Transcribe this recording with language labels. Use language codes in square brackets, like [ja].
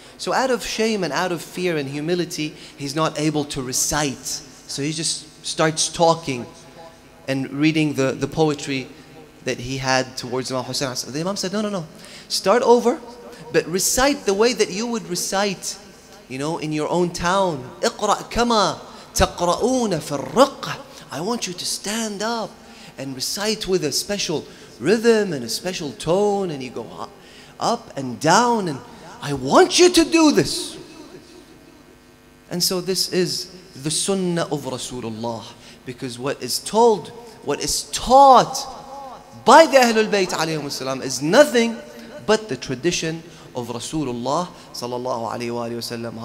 [en] So out of shame and out of fear and humility, he's not able to recite. So he just starts talking and reading the poetry that he had towards Imam Hussein. The Imam said, no, start over, but recite the way that you would recite, you know, in your own town. [ar] اقرأ كما تقرؤون في الرقة. [en] I want you to stand up and recite with a special rhythm and a special tone, and you go up and down, and I want you to do this. And so this is the sunnah of Rasulullah, because what is told, what is taught by the Ahlul Bayt alayhim as-salam is nothing but the tradition of Rasulullah sallallahu alayhi wa sallam.